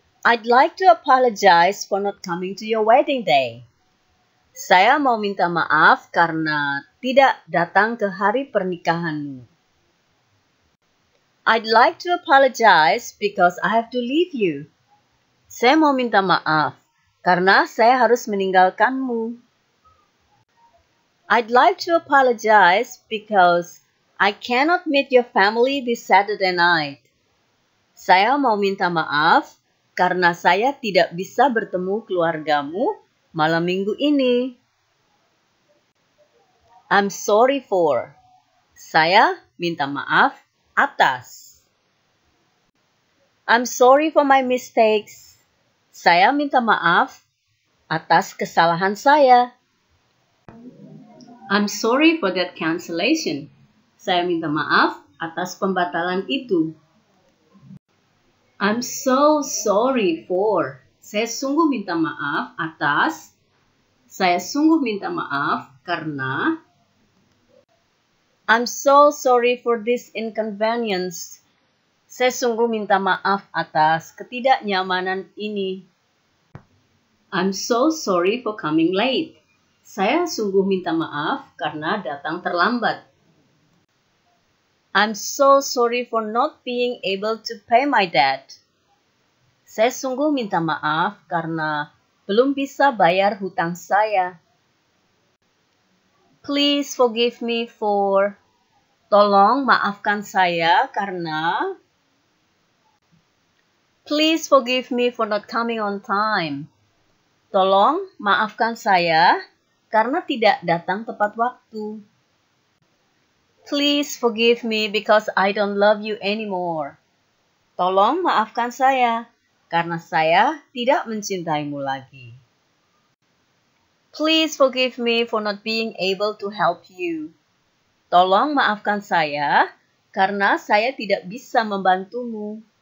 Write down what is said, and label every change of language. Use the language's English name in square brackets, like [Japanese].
[English] I'd like to apologize for not coming to your wedding day. [Indonesian] Saya mau minta maaf karena tidak datang ke hari pernikahanmu. [English] I'd like to apologize because I have to leave you. [Indonesian] Saya mau minta maaf karena saya harus meninggalkanmu. [English] I'd like to apologize because I cannot meet your family this Saturday night. [Indonesian] Saya mau minta maaf karena saya tidak bisa bertemu keluargamu malam minggu ini. [English] I'm sorry for. [Indonesian] Saya minta maaf atas. [English] I'm sorry for my mistakes. [Indonesian] Saya minta maaf atas kesalahan saya. [English] I'm sorry for that cancellation. [Indonesian] Saya minta maaf atas pembatalan itu. [English] I'm so sorry for. [Indonesian] Saya sungguh minta maaf atas. Saya sungguh minta maaf karena. [English] I'm so sorry for this inconvenience. [Indonesian] Saya sungguh minta maaf atas ketidaknyamanan ini. [English] I'm so sorry for coming late. [Indonesian] Saya sungguh minta maaf karena datang terlambat. [English] I'm so sorry for not being able to pay my debt. [Indonesian] Saya sungguh minta maaf karena belum bisa bayar hutang saya. [English] Please forgive me for. [Indonesian] Tolong maafkan saya karena. [English] Please forgive me for not coming on time. [Indonesian] Tolong maafkan saya karena tidak datang tepat waktu. [English] Please forgive me because I don't love you anymore. [Indonesian] Tolong maafkan saya karena saya tidak mencintaimu lagi. [English] Please forgive me for not being able to help you. [Indonesian] Tolong maafkan saya karena saya tidak bisa membantumu.